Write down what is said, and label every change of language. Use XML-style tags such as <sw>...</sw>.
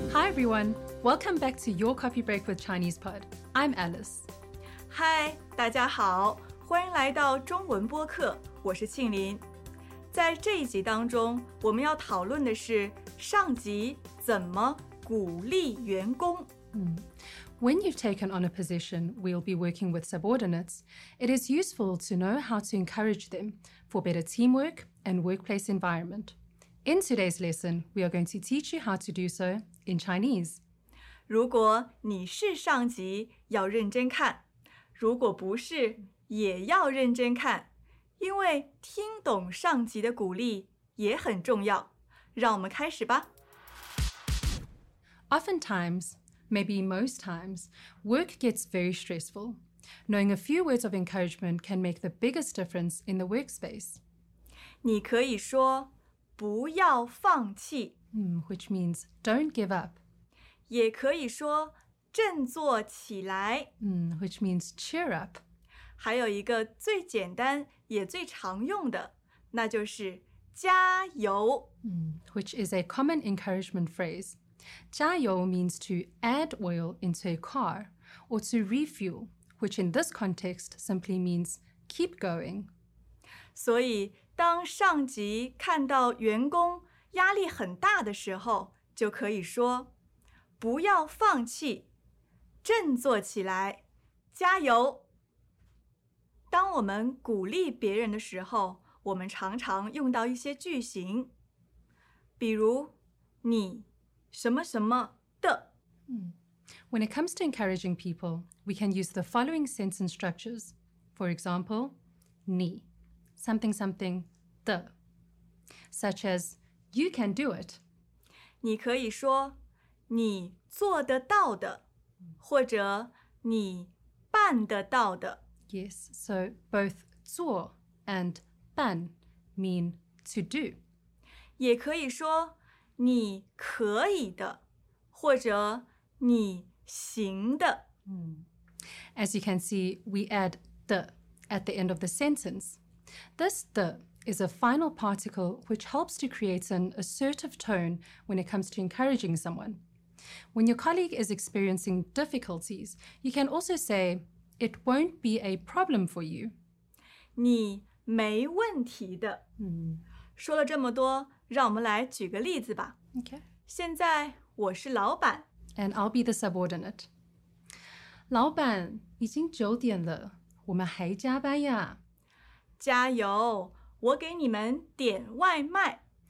<en>Everyone, welcome back to Your Coffee Break with Chinese Pod. I'm Alice.</en> <zh>Hi, 大家好，欢迎来到中文播客，我是庆琳。在这一集当中，我们要讨论的是上级怎么鼓励员工。</zh> <en>When you've taken on a position where you'll be working with subordinates, it is useful to know how to encourage them for better teamwork and workplace environment. In today's lesson, we are going to teach you how to do so. In Chinese.</en> <zh>如果你是上级要认真看，如果不是也要认真看，因为听懂上级的鼓励也很重要。让我们开始吧。</zh> <en>Oftentimes, maybe most times, work gets very stressful. Knowing a few words of encouragement can make the biggest difference in the workspace.</en> <zh>你可以说不要放弃。</zh> <en>Which means don't give up.</en> <zh>也可以说振作起来。</zh> <en>Which means cheer up.</en> <zh>还有一个最简单也最常用的，那就是加油。</zh> <en>Which is a common encouragement phrase. 加油 means to add oil into a car or to refuel, which in this context simply means keep going.</en> <zh>所以当上级看到员工压力很大的时候，就可以说，不要放弃，振作起来，加油。当我们鼓励别人的时候，我们常常用到一些句型，比如，你什么什么的。</zh> <en>When it comes to encouraging people, we can use the following sentence structures. For example, 你 something something 的 such as,You can do it.</en> <zh>你可以说你做得到的或者你办得到的。</zh> <en>Yes, so both 做 and 办 mean to do.</en> <zh>也可以说你可以的或者你行的。</zh> <en>As you can see, we add 的 at the end of the sentence. This 的is a final particle which helps to create an assertive tone when it comes to encouraging someone. When your colleague is experiencing difficulties, you can also say, it won't be a problem for you.</en> <zh>你没问题的。说了这么多，让我们来举个例子吧。现在我是老板。</zh> <en>And I'll be the subordinate.</en> <zh>老板，已经九点了，我们还加班呀。加油。我给你们点外卖。</zh>